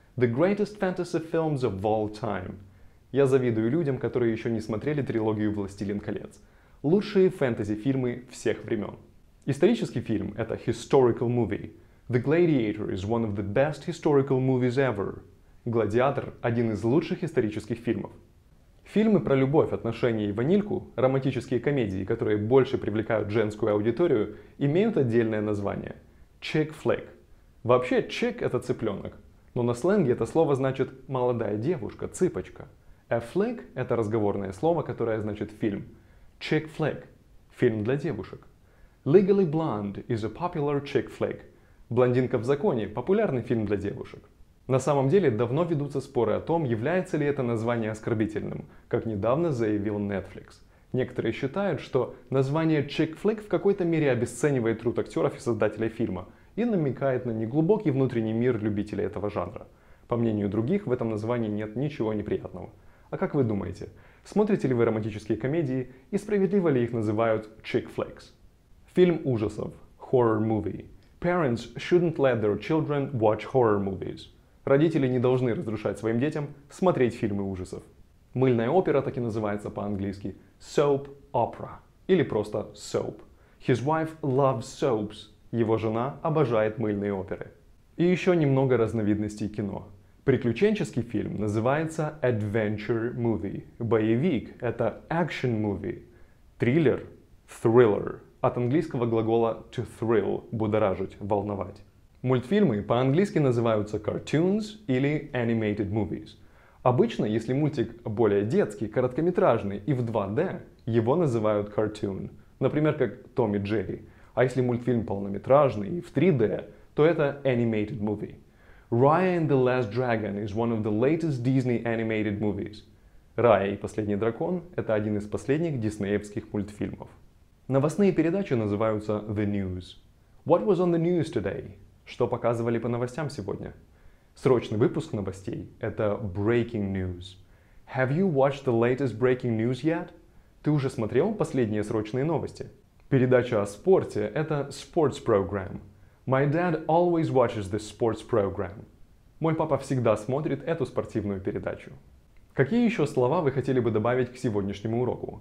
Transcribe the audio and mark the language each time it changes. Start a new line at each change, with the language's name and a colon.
English: The greatest fantasy films of all time.
Russian: Я завидую людям, которые еще не смотрели трилогию «Властелин колец». Лучшие фэнтези-фильмы всех времен. Исторический фильм — это historical movie.
English: The Gladiator is one of the best historical movies ever.
Russian: «Гладиатор» — один из лучших исторических фильмов. Фильмы про любовь, отношения и ванильку, романтические комедии, которые больше привлекают женскую аудиторию, имеют отдельное название — chick flick. Вообще, chick — это цыпленок. Но на сленге это слово значит «молодая девушка», «цыпочка». A flick — это разговорное слово, которое значит «фильм».
English: Chick flick —
Russian: фильм для девушек.
English: Legally Blonde is a popular chick flick.
Russian: «Блондинка в законе» — популярный фильм для девушек. На самом деле, давно ведутся споры о том, является ли это название оскорбительным, как недавно заявил Netflix. Некоторые считают, что название chick flick в какой-то мере обесценивает труд актеров и создателей фильма и намекает на неглубокий внутренний мир любителей этого жанра. По мнению других, в этом названии нет ничего неприятного. А как вы думаете, смотрите ли вы романтические комедии и справедливо ли их называют chick flicks? Фильм ужасов. Horror movie.
English: Parents shouldn't let their children watch horror movies.
Russian: Родители не должны разрешать своим детям смотреть фильмы ужасов. Мыльная опера так и называется по-английски soap opera или просто soap.
English: His wife loves soaps.
Russian: Его жена обожает мыльные оперы. И еще немного разновидностей кино. Приключенческий фильм называется adventure movie. Боевик — это action movie. Триллер — thriller. От английского глагола to thrill — будоражить, волновать. Мультфильмы по-английски называются cartoons или animated movies. Обычно, если мультик более детский, короткометражный и в 2D, его называют cartoon, например, как Том и Джерри. А если мультфильм полнометражный и в 3D, то это animated movie.
English: Raya and the Last Dragon is one of the latest Disney animated movies.
Russian: Raya и последний дракон — это один из последних диснеевских мультфильмов. Новостные передачи называются
English: the news. What was on the news today?
Russian: Что показывали по новостям сегодня? Срочный выпуск новостей — это breaking news.
English: Have you watched the latest breaking news yet?
Russian: Ты уже смотрел последние срочные новости? Передача о спорте — это
English: sports program. My dad always watches this sports program.
Russian: Мой папа всегда смотрит эту спортивную передачу. Какие еще слова вы хотели бы добавить к сегодняшнему уроку?